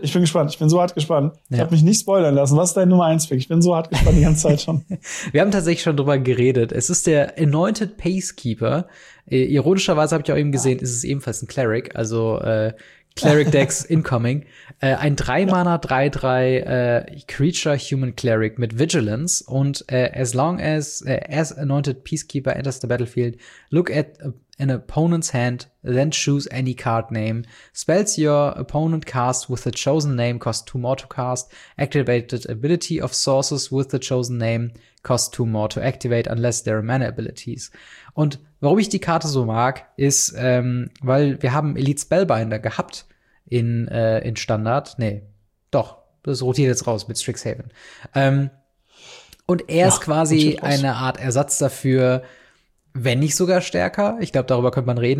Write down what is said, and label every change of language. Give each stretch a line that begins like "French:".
German: Ich bin gespannt, ich bin so hart gespannt. Ja. Ich habe mich nicht spoilern lassen. Was ist dein Nummer 1 Pick? Ich bin so hart gespannt die ganze Zeit schon. Wir haben tatsächlich schon drüber geredet. Es ist der Anointed Pacekeeper. Ironischerweise habe ich auch eben gesehen, ist es ebenfalls ein Cleric, also Cleric Dex incoming. Ein 3-Mana 3-3 Creature Human Cleric mit Vigilance.
English: Und as long as Anointed Peacekeeper enters the battlefield, look at an opponent's hand, then choose any card name. Spells your opponent cast with the chosen name cost 2 more to cast. Activated ability of sources with the chosen name cost 2 more to activate, unless there are mana abilities.
German: Und warum ich die Karte so mag, ist, weil wir haben Elite Spellbinder gehabt in Standard. Nee, doch, das rotiert jetzt raus mit Strixhaven. Und er ist quasi eine Art Ersatz dafür, wenn nicht sogar stärker. Ich glaube, darüber könnte man reden.